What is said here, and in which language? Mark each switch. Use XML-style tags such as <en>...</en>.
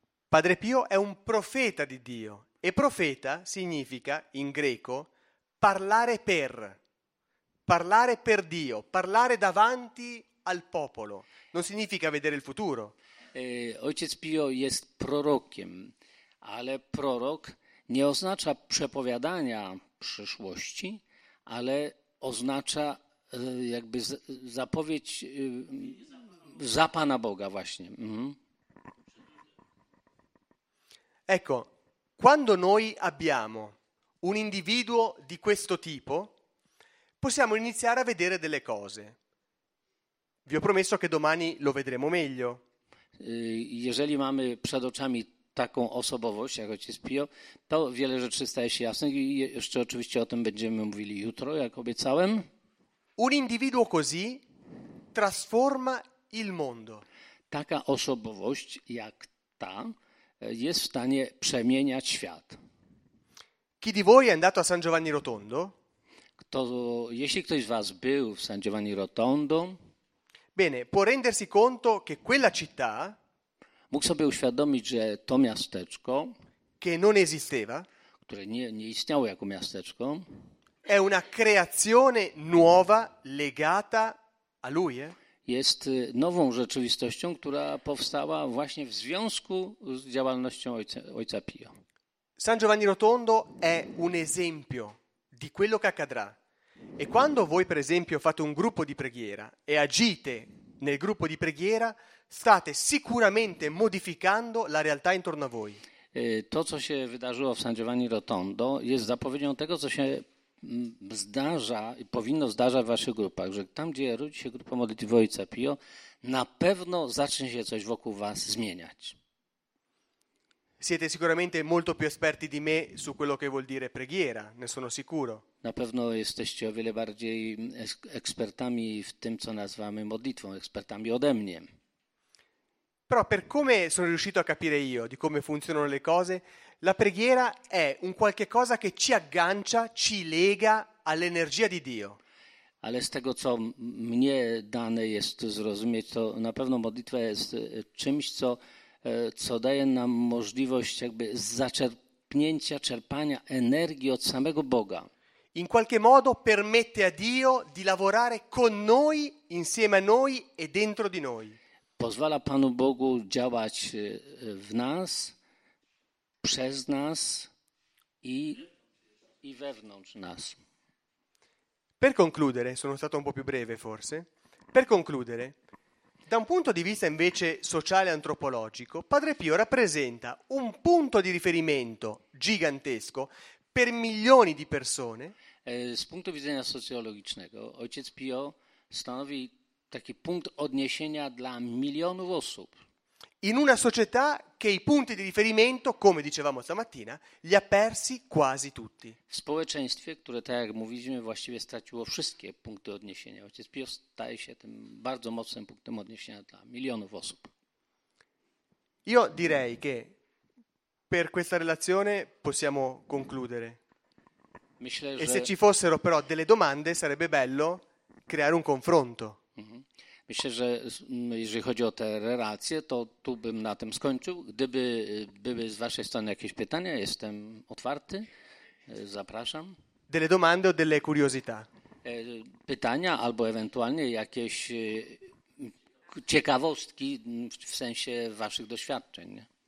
<it>Padre Pio è un profeta di Dio e profeta significa in greco parlare per Dio, parlare davanti al popolo. Non significa vedere il futuro.</it> <pl>Ojciec Pio jest prorokiem, ale prorok nie oznacza przepowiadania przyszłości, ale oznacza jakby zapowiedź za Pana Boga właśnie. Mhm.</pl> <it>Ecco, quando noi abbiamo un individuo di questo tipo, possiamo iniziare a vedere delle cose. Vi ho promesso che domani lo vedremo meglio.</it> <pl>Jeżeli mamy przed oczami taką osobowość, jak ojciec Pio, to wiele rzeczy staje się jasne i jeszcze oczywiście o tym będziemy mówili jutro, jak obiecałem.</pl> <it>Un individuo così trasforma il mondo.</it> <pl>Taka osobowość jak ta jest w stanie przemieniać świat.</pl> <it>Chi di voi è andato a San Giovanni Rotondo?</it> <pl>Jeśli ktoś z was był w San Giovanni Rotondo,</pl> <it>bene, può rendersi conto che quella città,</it> <pl>mógł sobie uświadomić, że to miasteczko,</pl> <it>che non esisteva,</it> <pl>które nie istniało jako miasteczko,</pl> <it>è una creazione nuova legata a lui.</it> <pl>Jest nową rzeczywistością, która powstała właśnie w związku z działalnością ojca Pio.</pl> <it>San Giovanni Rotondo è un esempio di quello che accadrà. E quando voi, per esempio, fate un gruppo di preghiera e agite nel gruppo di preghiera, state sicuramente modificando la realtà intorno a voi.</it> <pl>To, co się wydarzyło w San Giovanni Rotondo, jest zapowiedzią tego, co się zdarza i powinno zdarzać w waszych grupach, że tam, gdzie rodzi się grupa modlitwy Ojca Pio, na pewno zacznie się coś wokół was zmieniać.</pl> <it>Siete sicuramente molto più esperti di me su quello che vuol dire preghiera, ne sono sicuro.</it> <pl>Na pewno jesteście o wiele bardziej ekspertami w tym, co nazywamy modlitwą, ekspertami ode mnie.</pl> <it>Però per come sono riuscito a capire io di come funzionano le cose, la preghiera è un qualche cosa che ci aggancia, ci lega all'energia di Dio.</it> <pl>Ale z tego, co mnie dane jest zrozumieć, to na pewno modlitwa jest czymś, co daje nam możliwość jakby zaczerpnięcia, czerpania energii od samego Boga.</pl> <it>In qualche modo permette a Dio di lavorare con noi, insieme a noi e dentro di noi.</it> <pl>Pozwala Panu Bogu działać w nas, przez nas i wewnątrz nas.</pl> <it>Per concludere, sono stato un po' più breve forse, per concludere, da un punto di vista invece sociale e antropologico, Padre Pio rappresenta un punto di riferimento gigantesco per milioni di persone.</it> <pl>Z punktu widzenia socjologicznego, ojciec Pio stanowi taki punkt odniesienia dla milionów osób.</pl> <it>In una società che i punti di riferimento, come dicevamo stamattina, li ha persi quasi tutti.</it> <pl>W społeczeństwie, które tak jak mówiliśmy, właściwie straciło wszystkie punkty odniesienia. Ojciec Pio staje się tym bardzo mocnym punktem odniesienia dla milionów osób.</pl> <it>Io direi che per questa relazione possiamo concludere.</it> <pl>Myślę,</pl> <it>e se ci fossero però delle domande, sarebbe bello creare un confronto.</it> <pl>Myślę, że jeżeli chodzi o te relacje, to tu bym na tym skończył. Gdyby były z waszej strony jakieś pytania, jestem otwarty, zapraszam.</pl> <it>Delle domande o delle curiosità?</it> <pl>pytania albo ewentualnie jakieś ciekawostki w sensie waszych doświadczeń.</pl>